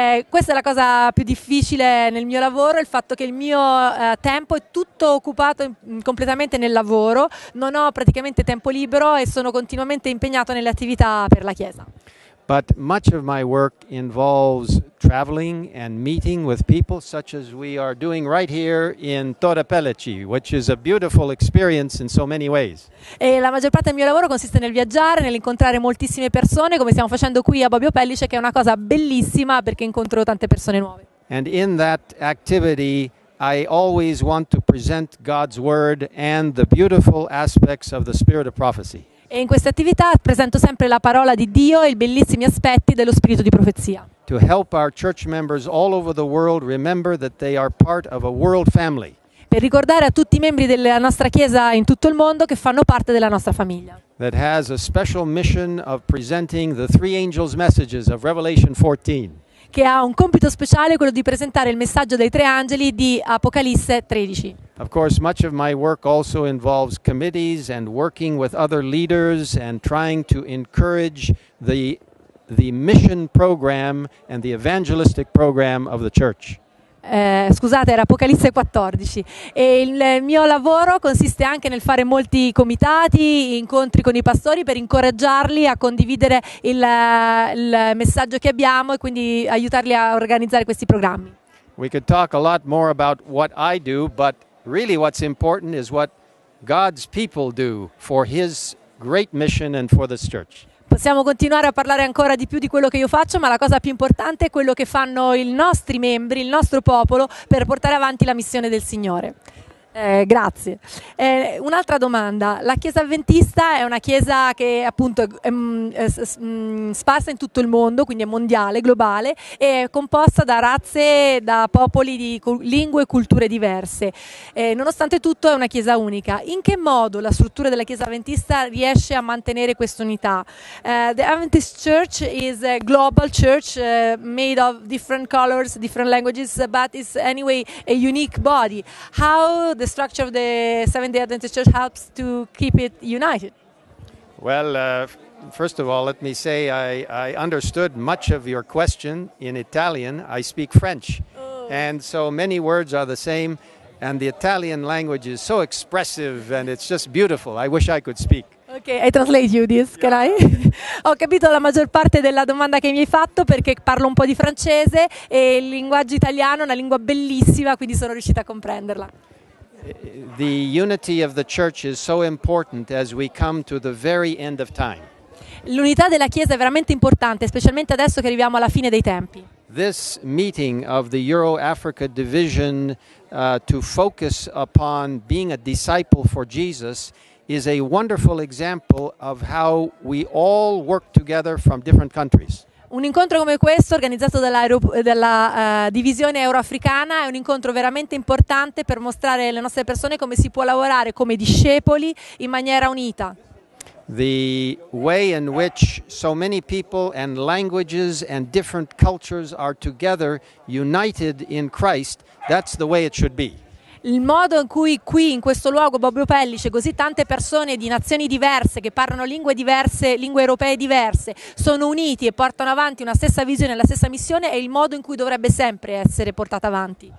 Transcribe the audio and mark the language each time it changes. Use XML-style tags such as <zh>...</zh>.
<it>Questa è la cosa più difficile nel mio lavoro, il fatto che il mio tempo è tutto occupato completamente nel lavoro, non ho praticamente tempo libero e sono continuamente impegnato nelle attività per la Chiesa.</it> <en>But much of my work involves traveling and meeting with people, such as we are doing right here in Tora Pellici, which is a beautiful experience in so many ways.</en> <it>E la maggior parte del mio lavoro consiste nel viaggiare, nell'incontrare moltissime persone, come stiamo facendo qui a Bobbio Pellice, che è una cosa bellissima perché incontro tante persone nuove.</it> <en>And in that activity, I always want to present God's word and the beautiful aspects of the spirit of prophecy.</en> <it>E in questa attività presento sempre la parola di Dio e i bellissimi aspetti dello spirito di profezia.</it> <en>To help our church members all over the world remember that they are part of a world family.</en> <it>Per ricordare a tutti i membri della nostra chiesa in tutto il mondo che fanno parte della nostra famiglia.</it> <en>That has a special mission of presenting the three angels' messages of Revelation 14.</en> <it>Che ha un compito speciale, quello di presentare il messaggio dei tre angeli di Apocalisse 13.</it> <en>Of course, much of my work also involves committees and working with other leaders and trying to encourage the mission program and the evangelistic program of the church.</en> <it>Scusate, era Apocalisse 14. E il mio lavoro consiste anche nel fare molti comitati, incontri con i pastori per incoraggiarli a condividere il messaggio che abbiamo e quindi aiutarli a organizzare questi programmi.</it> <en>We could talk a lot more about what I do, but really what's important is what God's people do for His great mission and for this church.</en> <it>Possiamo continuare a parlare ancora di più di quello che io faccio, ma la cosa più importante è quello che fanno i nostri membri, il nostro popolo, per portare avanti la missione del Signore. Grazie. Un'altra domanda. La Chiesa Avventista è una Chiesa che appunto è sparsa in tutto il mondo, quindi è mondiale, globale, e è composta da razze, da popoli di lingue e culture diverse. Nonostante tutto è una Chiesa unica. In che modo la struttura della Chiesa Avventista riesce a mantenere questa unità?</it> <en>The Adventist Church is a global church made of different colors, different languages, but it's anyway a unique body. How the structure of the Seventh-day Adventist Church helps to keep it united. Well, first of all, let me say I understood much of your question in Italian. I speak French, and so many words are the same, and the Italian language is so expressive, and it's just beautiful. I wish I could speak. Ok, I translate you this, can I?</en> <it>Ho capito la maggior parte della domanda che mi hai fatto perché parlo un po' di francese e il linguaggio italiano è una lingua bellissima, quindi sono riuscita a comprenderla.</it> <en>The unity of the church is so important as we come to the very end of time.</en> <it>L'unità della Chiesa è veramente importante, specialmente adesso che arriviamo alla fine dei tempi.</it> <en>This meeting of the Euro-Africa Division to focus upon being a disciple for Jesus is a wonderful example of how we all work together from different countries.</en> <it>Un incontro come questo, organizzato dalla divisione euroafricana, è un incontro veramente importante per mostrare alle nostre persone come si può lavorare come discepoli in maniera unita.</it> <en>The way in which so many people and languages and different cultures are together, united in Christ, that's the way it should be.</en> <it>il modo in cui qui in questo luogo Bobbio Pelli c'è così tante persone di nazioni diverse che parlano lingue diverse, lingue europee diverse, sono uniti e portano avanti una stessa visione e la stessa missione, è il modo in cui dovrebbe sempre essere portata avanti.</it>